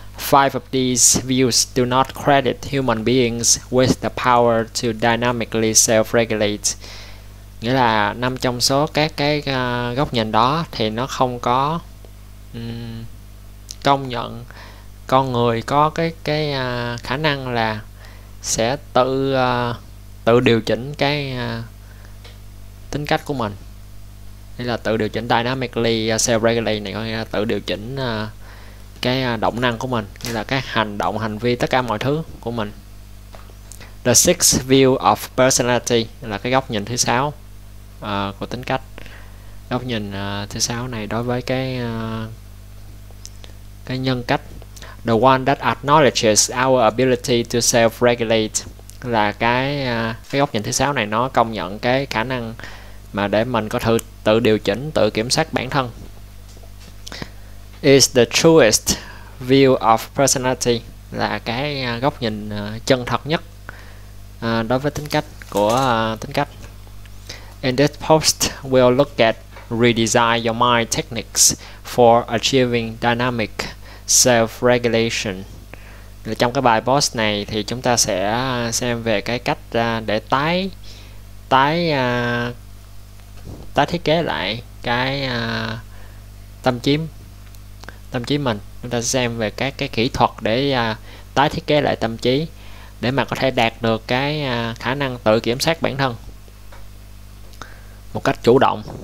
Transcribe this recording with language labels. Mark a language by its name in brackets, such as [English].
[English] Five of these views do not credit human beings with the power to dynamically self-regulate. [Vietnamese] Nghĩa là năm trong số các cái góc nhìn đó thì nó không có công nhận con người có cái khả năng là sẽ tự tự điều chỉnh cái tính cách của mình. Đây là tự điều chỉnh [English] dynamically self-regulate, [Vietnamese] này có nghĩa là tự điều chỉnh cái động năng của mình, như là các hành động, hành vi, tất cả mọi thứ của mình. [English] The sixth view of personality [Vietnamese] là cái góc nhìn thứ sáu của tính cách. Góc nhìn thứ sáu này đối với cái nhân cách. [English] The one that acknowledges our ability to self-regulate [Vietnamese] là cái góc nhìn thứ sáu này, nó công nhận cái khả năng mà để mình có thể tự điều chỉnh, tự kiểm soát bản thân. [English] Is the truest view of personality [Vietnamese] là cái góc nhìn chân thật nhất đối với tính cách của tính cách. [English] In this post, we'll look at redesign your mind techniques for achieving dynamic self-regulation. [Vietnamese] Trong cái bài post này thì chúng ta sẽ xem về cái cách để tái tái tái thiết kế lại cái tâm trí mình. Chúng ta sẽ xem về các cái kỹ thuật để tái thiết kế lại tâm trí để mà có thể đạt được cái khả năng tự kiểm soát bản thân một cách chủ động.